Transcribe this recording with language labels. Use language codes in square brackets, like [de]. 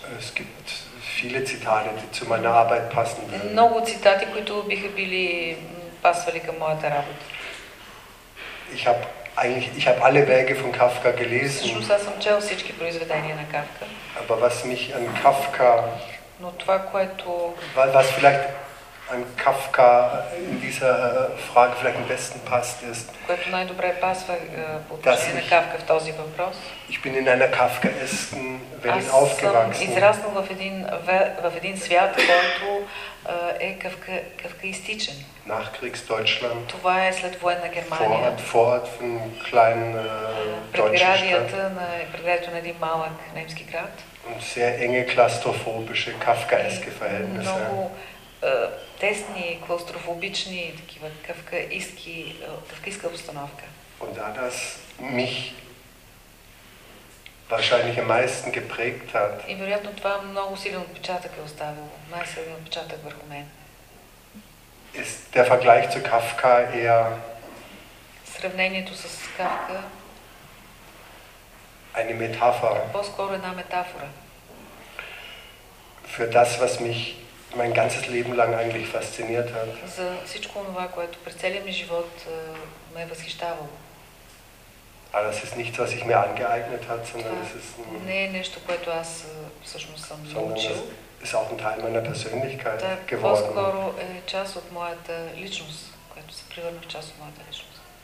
[de] Es gibt viele Zitate, die zu meiner Arbeit passen. [bg] Много цитати, които биха били пасвали към моята работа. [de] Ich habe alle Werke von Kafka gelesen. [bg] Всъщност аз съм чел всички произведения на Кафка. [de] Aber was mich an Kafka... [bg] Но това, което... [de] Was vielleicht an Kafka in dieser Frage vielleicht am besten passt, ist, [bg] което най-добре пасва по отношение на Кафка в този въпрос. [de] Ich bin in einer Kafkaesken Welt aufgewachsen. [bg] Аз съм израснал в един свят, който е кафкаистичен. [de] Nachkriegsdeutschland. [bg] Това е следвоенна Германия. [de] Vorort von klein [bg] предградията на предградието на един малък немски град. [de] Und sehr enge klaustrophobische kafkaeske Verhältnisse. [bg] Много тесни, клаустрофобични, такива кафкаистка обстановка. [de] Und da das mich wahrscheinlich am meisten geprägt hat. [bg] И вероятно това много силен отпечатък е оставило. Най-силен отпечатък върху мен. [de] Ist der Vergleich zu Kafka eher... [bg] Сравнението с Кафка... [de] Eine Metapher. [bg] По-скоро една метафора. [de] Für das, was mich mein ganzes Leben lang eigentlich fasziniert hat. [bg] За всичко това, което през целия ми живот ме е възхищавало. [de] Aber das ist nichts, was ich mir angeeignet hat, sondern es ist ein... [bg] Не е нещо, което аз всъщност съм научил. [de] Es ist auch ein Teil meiner Persönlichkeit geworden. [bg] По-скоро е част от моята личност, която се превърна в част от моята личност.